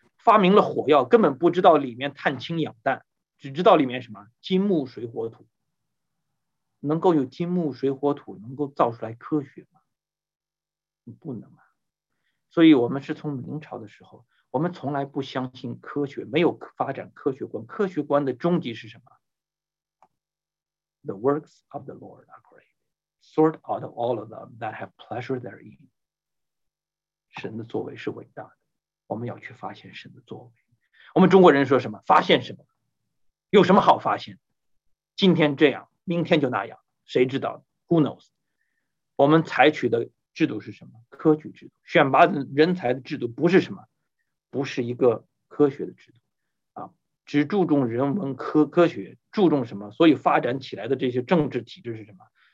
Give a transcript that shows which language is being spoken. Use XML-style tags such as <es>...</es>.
<zh>发明了火药，根本不知道里面碳氢氧氮，只知道里面什么？金木水火土。能够有金木水火土，能够造出来科学吗？不能啊。所以我们是从明朝的时候，我们从来不相信科学，没有发展科学观。科学观的终极是什么？</zh> <en>The works of the Lord are great. Sort out all of them that have pleasure therein.</en> <zh>神的作为是伟大的，我们要去发现神的作为。我们中国人说什么？发现什么？有什么好发现？今天这样，明天就那样，谁知道？</zh> <en>Who knows?</en> <zh>我们采取的制度是什么？科举制度，选拔人才的制度不是什么，不是一个科学的制度啊，只注重人文科学，注重什么？所以发展起来的这些政治体制是什么？</zh>